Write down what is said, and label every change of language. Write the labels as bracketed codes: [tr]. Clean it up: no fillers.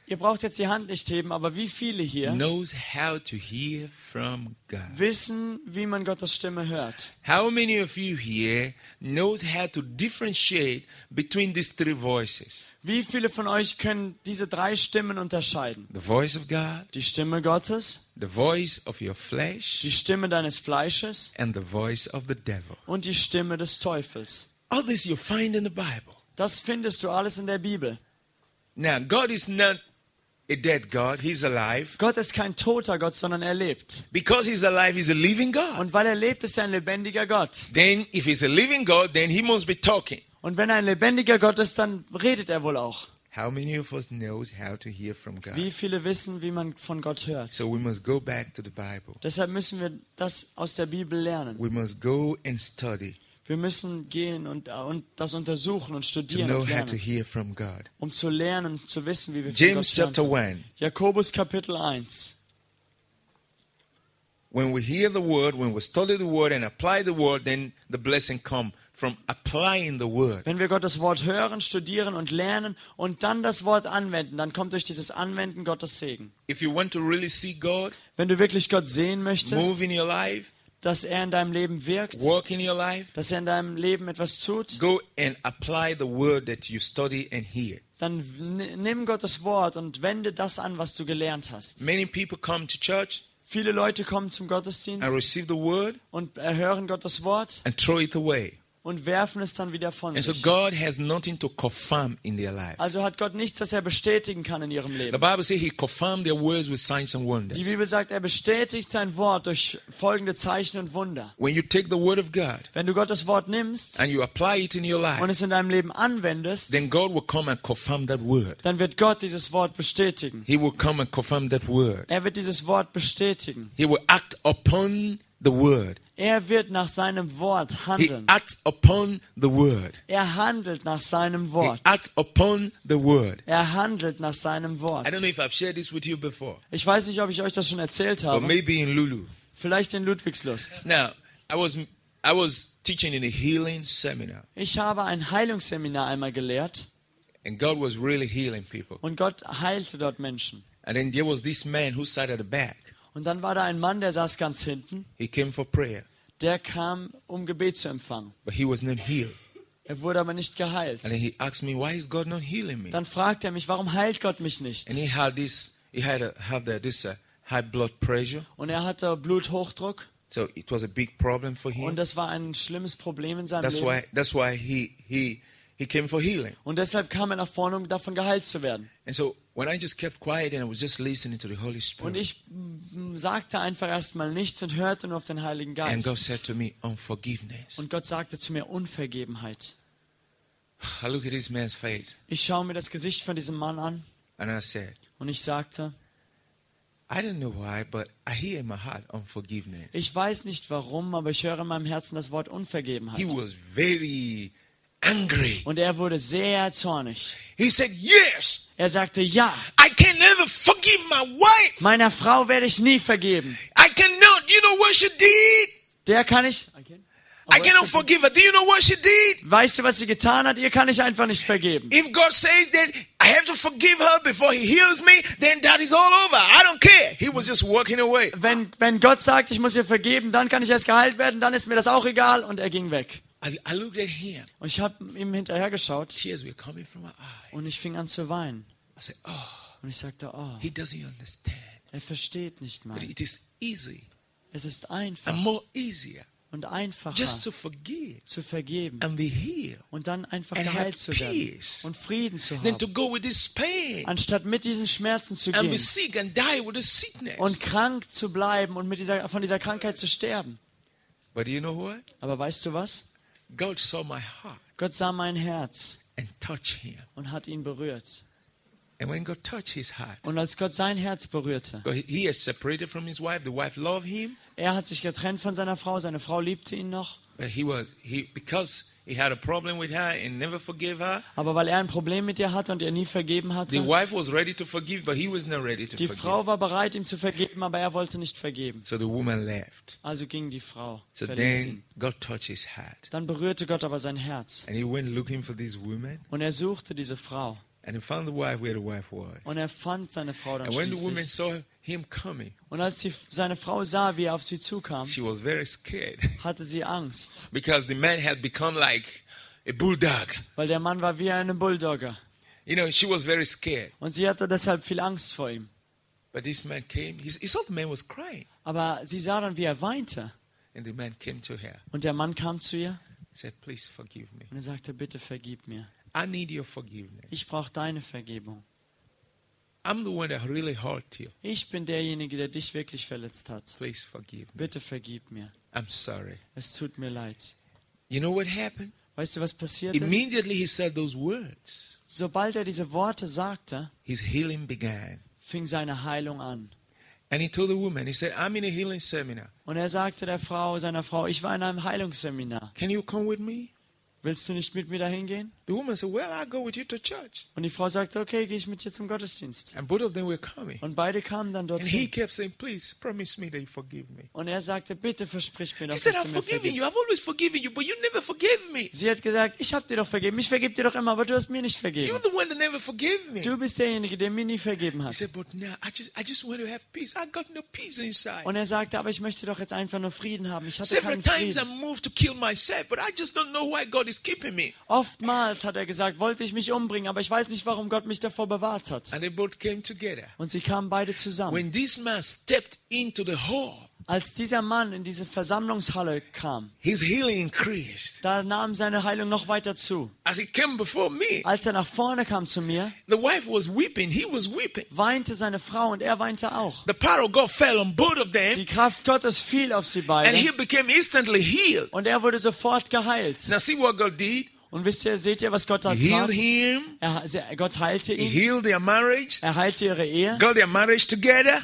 [de] Ihr braucht jetzt die Hand nicht heben, aber wie viele hier? [en] Knows how to hear from God. [de] Wissen, wie man Gottes Stimme hört. [en] How many of you here knows how to differentiate between these three voices? [de] Wie viele von euch können diese drei Stimmen unterscheiden? [en] The voice of God, [de] die Stimme Gottes, [en] the voice of your flesh, [de] die Stimme deines Fleisches, [en] and the voice of the devil, [de] und die Stimme des Teufels. [en] All this you find in the Bible. [de] Das findest du alles in der Bibel. [en] Now, God is not a dead God, he's alive. [de] Gott ist kein toter Gott, sondern er lebt. [en] Because he's alive, he's a living God. [de] Und weil er lebt, ist er ein lebendiger Gott. [en] Then if he's a living God, then he must be talking. [de] Und wenn er ein lebendiger Gott ist, dann redet er wohl auch. [en] How many of us knows how to hear from God? [de] Wie viele wissen, wie man von Gott hört? [en] So we must go back to the Bible. [de] Deshalb müssen wir das aus der Bibel lernen. [en] We must go and study. [de] Wir müssen gehen und das untersuchen und studieren [en] to know [de] und lernen, [en] how to hear from God. [de] Um zu lernen, zu wissen, wie wir von [en] James [de] Gott hören. [en] James chapter 1. [de] Jakobus Kapitel 1. [en] When we hear the word, when we study the word and apply the word, then the blessing comes. From applying the word. [de] Wenn wir Gottes Wort hören, studieren und lernen und dann das Wort anwenden, dann kommt durch dieses Anwenden Gottes Segen. [en] If you want to really see God, [de] wenn du wirklich Gott sehen möchtest, [en] move in your life, [de] dass er in deinem Leben wirkt, [en] work in your life, [de] dass er in deinem Leben etwas tut, [en] go and apply the word that you study and hear. [de] Dann nimm Gottes Wort und wende das an, was du gelernt hast. [en] Many people come to church. [de] Viele Leute kommen zum Gottesdienst [en] and receive the word [de] und hören Gottes Wort [en] and throw it away. [de] Und werfen es dann wieder von sich. [en] And so God has nothing to confirm in their life. [de] Also hat Gott nichts, das er bestätigen kann in ihrem Leben. [en] The Bible says he confirmed their words with signs and wonders. [de] Die Bibel sagt, er bestätigt sein Wort durch folgende Zeichen und Wunder. [en] When you take the word of God, [de] wenn du Gottes Wort nimmst [en] and you apply it in your life, [de] und es in deinem Leben anwendest, [en] then God will come and confirm that word. [de] Dann wird Gott dieses Wort bestätigen. [en] He will come and confirm that word. [de] Er wird dieses Wort bestätigen. [en] He will act upon the word. [de] Er wird nach seinem Wort handeln. [en] He acts upon the word. [de] Er handelt nach seinem Wort. [en] He acts upon the word. [de] Er handelt nach seinem Wort. [en] I don't know if I've shared this with you before. [de] Ich weiß nicht, ob ich euch das schon erzählt habe. [en] Or maybe in Lulu. [de] Vielleicht in Ludwigslust. [en] Now, I was teaching in a healing seminar. [de] Ich habe ein Heilungsseminar einmal gelehrt. [en] And God was really healing people. [de] Und Gott heilte dort Menschen. [en] And then there was this man who sat at the back. [de] Und dann war da ein Mann, der saß ganz hinten. [en] He came for prayer. [de] Der kam, um Gebet zu empfangen. [en] But he was not healed. [de] Er wurde aber nicht geheilt. [en] And then he asked me, why is God not healing me? [de] Dann fragt er mich, warum heilt Gott mich nicht? [en] And he had high blood pressure. [de] Und er hatte Bluthochdruck. [en] So it was a big problem for him. [de] Und das war ein schlimmes Problem in seinem Leben. [en] That's why he came for healing. [de] Und deshalb kam er nach vorne, um davon geheilt zu werden. [en] And so when I just kept quiet and I was just listening to the Holy Spirit. [de] Und ich sagte einfach erstmal nichts und hörte nur auf den Heiligen Geist. [en] And God said to me, unforgiveness. [de] Und Gott sagte zu mir, Unvergebenheit. [en] I look at this man's face. [de] Ich schaue mir das Gesicht von diesem Mann an. [en] And I said. [de] Und ich sagte. [en] I don't know why, but I hear in my heart unforgiveness. [de] Ich weiß nicht warum, aber ich höre in meinem Herzen das Wort Unvergebenheit. [en] He was very angry. [de] Und er wurde sehr zornig. [en] He said, yes. [de] Er sagte ja. [en] I can never forgive my wife. [de] Meiner Frau werde ich nie vergeben. [en] I cannot. Do you know what she did? [de] Der kann ich. [en] I cannot forgive her. Do you know what she did? [de] Weißt du, was sie getan hat? Ihr kann ich einfach nicht vergeben. [en] If God says that I have to forgive her before he heals me, then that is all over. I don't care. He was just walking away. [de] Wenn Gott sagt, ich muss ihr vergeben, dann kann ich erst geheilt werden, dann ist mir das auch egal, und er ging weg. [en] I looked at him. [de] Und ich habe ihm hinterher geschaut. [en] Tears were coming from my eyes. [de] Und ich fing an zu weinen. [en] I said, oh. [de] Und ich sagte, oh. [en] He doesn't understand. [de] Er versteht nicht mal. [en] It is easy. [de] Es ist einfach. [en] And more easier. [de] Und einfacher [en] just to forgive, [de] zu vergeben [en] and be healed, [de] und dann einfach geheilt zu werden [en] peace, [de] und Frieden zu haben, [en] then to go with this pain, [de] anstatt mit diesen Schmerzen zu gehen [en] and be sick and die with the sickness. [de] Und krank zu bleiben und von dieser Krankheit zu sterben. [en] But you know what? [de] Aber weißt du was? [en] God saw my heart, [de] Gott sah mein Herz [en] and touched him. [de] Und hat ihn berührt. [en] And when God touched his heart, [de] und als Gott sein Herz berührte, [en] he is separated from his wife, the wife loved him. [de] Er hat sich getrennt von seiner Frau. Seine Frau liebte ihn noch. Aber weil er ein Problem mit ihr hatte und ihr nie vergeben hatte. Die Frau war bereit, ihm zu vergeben, aber er wollte nicht vergeben. [en] So the woman left. [de] Also ging die Frau. [en] So then God touched his heart. [de] Dann berührte Gott aber sein Herz. [en] And he went looking for this woman. [de] Und er suchte diese Frau. [en] And he found the wife where the wife was. [de] Und er fand seine Frau dann [en] and [de] schließlich. [en] And when the woman saw him coming, [de] und als sie seine Frau sah, wie er auf sie zukam, [en] she was very scared. [de] Hatte sie Angst. [en] Because the man had become like a bulldog. [de] Weil der Mann war wie ein Bulldogger. [en] You know, she was very scared. [de] Und sie hatte deshalb viel Angst vor ihm. [en] But this man came. He saw the man was crying. [de] Aber sie sah dann, wie er weinte. [en] And the man came to her. [de] Und der Mann kam zu ihr. [en] He said, "Please forgive me." [de] Und er sagte, bitte vergib mir. [en] I need your forgiveness. [de] Ich brauche deine Vergebung. [en] I'm the one that really hurt you. [de] Ich bin derjenige, der dich wirklich verletzt hat. [en] Please forgive me. [de] Bitte vergib mir. [en] I'm sorry. [de] Es tut mir leid. [en] You know what happened? [de] Weißt du, was passiert ist? [en] Immediately he said those words. [de] Sobald er diese Worte sagte, [en] his healing began. [de] Fing seine Heilung an. [en] And he told the woman, he said, "I'm in a healing seminar." [de] Und er sagte der Frau, seiner Frau, ich war in einem Heilungsseminar. [en] Can you come with me? [de] Willst du nicht mit mir dahin gehen? [en] The woman said, "Well, I'll go with you to church." [de] Und die Frau sagte, okay, gehe ich mit dir zum Gottesdienst. [en] And both of them were coming. [de] Und beide kamen dann dorthin. [en] And he kept saying, "Please promise me that you forgive me." [de] Und er sagte, bitte versprich mir, dass du mir vergibst. [en] He said, "I've forgiven you. I've always forgiven you, but you never forgave me." [de] Sie hat gesagt, ich habe dir doch vergeben. Ich vergib dir doch immer, aber du hast mir nicht vergeben. [en] You're the one that never forgave me. [de] Du bist derjenige, der mir nie vergeben hat. [en] He said, "But now I just want to have peace. I got no peace inside." [de] Und er sagte, aber ich möchte doch jetzt einfach nur Frieden haben. Ich hatte keinen Frieden. [en] Several times I moved to kill myself, but I just don't know why God is keeping me. [de] Oftmals hat er gesagt, wollte ich mich umbringen, aber ich weiß nicht, warum Gott mich davor bewahrt hat. [en] And they both came together. [de] Und sie kamen beide zusammen. [en] When this man stepped into the hall, [de] als dieser Mann in diese Versammlungshalle kam, [en] his healing increased. [de] Da nahm seine Heilung noch weiter zu. [en] As he came before me, [de] als er nach vorne kam zu mir, [en] the wife was weeping, he was weeping. [de] Weinte seine Frau und er weinte auch. [en] The power of God fell on both of them, [de] die Kraft Gottes fiel auf sie beide, [en] and he became instantly healed. [de] Und er wurde sofort geheilt. [en] Now see what God did? [de] Und wisst ihr, seht ihr, was Gott da tat? Gott heilte ihn. [en] He healed their marriage. [de] Er heilte ihre Ehe. [en] Got their marriage together.